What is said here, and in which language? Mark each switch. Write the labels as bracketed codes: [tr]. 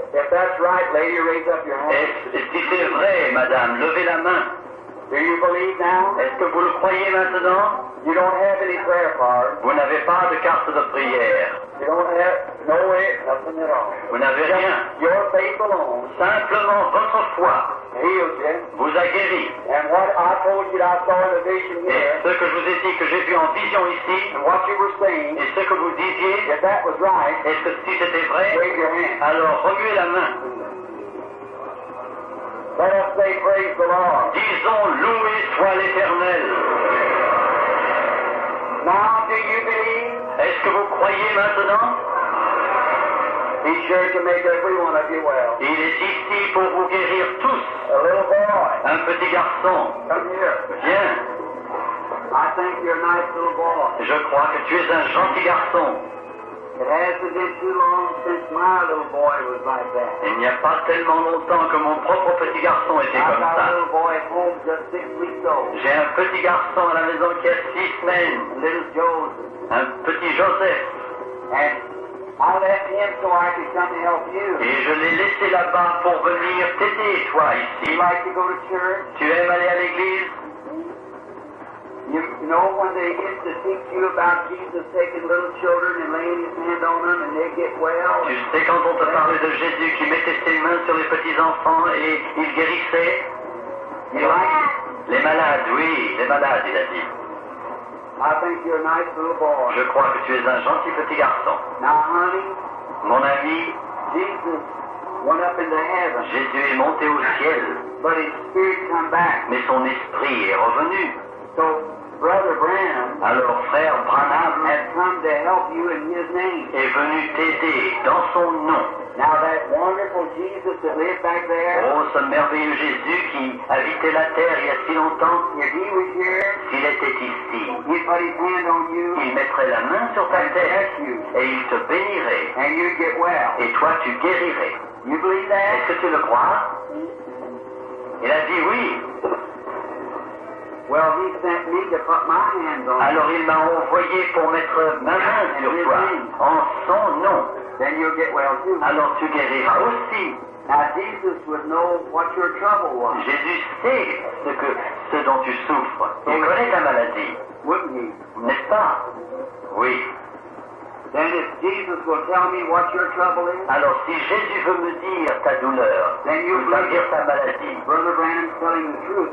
[en] If that's right, lady, raise up your hand. [fr] Et si c'est vrai, madame, levez la main. [en] Do you believe now? [fr] Est-ce que vous le croyez maintenant? [en] You don't have any prayer cards. [fr] Vous n'avez pas de carte de prière. [en] You don't have no way, nothing at all. [fr] Vous n'avez rien. [en] Your faith alone. [fr] Simplement votre foi. [en] Healed you. [fr] Vous a guéri. [en] And what I told you that I saw in a vision here. [fr] Et ce que je vous ai dit que j'ai vu en vision ici. [en] And what you were saying. [fr] Et ce que vous disiez. [en] If that was right. [fr] Est-ce que si c'était vrai? [en] Raise your hand. [fr] Alors remuez la main. [en] Let us say praise the Lord. [fr] Disons loué soit l'Éternel. [en] Now do you believe? [fr] Est-ce que vous croyez maintenant? [en] He's sure to make every one of you well. [fr] Il est ici pour vous guérir tous. [en] A little boy. [fr] Un petit garçon. [en] Come here. [fr] Viens. [en] I think you're a nice little boy. [fr] Je crois que tu es un gentil garçon. [en] It hasn't been too long since my little boy was like that. [fr] Il n'y a pas tellement longtemps que mon propre petit garçon était comme ça. [en] I got a little boy home just 6 weeks old. [fr] J'ai un petit garçon à la maison qui a 6 semaines. [en] Little Joseph. [fr] Un petit Joseph. [en] And I left him so I could come to help you. [fr] Et je l'ai laissé là-bas pour venir t'aider, toi, ici. [en] You like to go to church? [fr] Tu aimes aller à l'église? [en] You know when they get to teach you about Jesus taking little children and laying his hand on them and they get well? [fr] Tu sais quand on te parlait de Jésus qui mettait ses mains sur les petits enfants et il guérissait? [en] You like it? [fr] Les malades, oui, les malades, il a dit. [en] I think you're a nice little boy. [fr] Je crois que tu es un gentil petit garçon. [en] Now, honey, [fr] mon ami, [en] Jesus went up into heaven. [fr] Jésus est monté au ciel. [en] But his spirit came back. [fr] Mais son esprit est revenu. [en] So, Brother Branham, [fr] alors, frère Branham [en] has come to help you in his name. [fr] Est venu t'aider dans son nom. [en] Now that wonderful Jesus that lived back there. [fr] Oh, ce merveilleux Jésus qui habitait la terre il y a si longtemps. [en] If he was here, [fr] s'il était ici, [en] he'd put his hand on you, [fr] il mettrait la main sur ta tête [en] you, [fr] et il te bénirait. [en] And you'd get well. [fr] Et toi, tu guérirais. [en] You believe that? [fr] Est-ce que tu le crois? Il a dit oui. [en] Well, he sent me to put my hands on. [fr] Alors il m'a envoyé pour mettre ma main sur toi en son nom. [en] Then you'll get well too. [fr] Alors tu guériras aussi. [en] Now Jesus would know what your trouble was. [fr] Jésus sait ce dont tu souffres. [en] So [fr] il connaît ta maladie. [en] Wouldn't he? [fr] N'est-ce pas? Oui. [en] Then if Jesus will tell me what your trouble is, [fr] alors si Jésus veut me dire ta douleur, [en] then you [fr] ou dire ta maladie, [en] Brother Branham's telling the truth,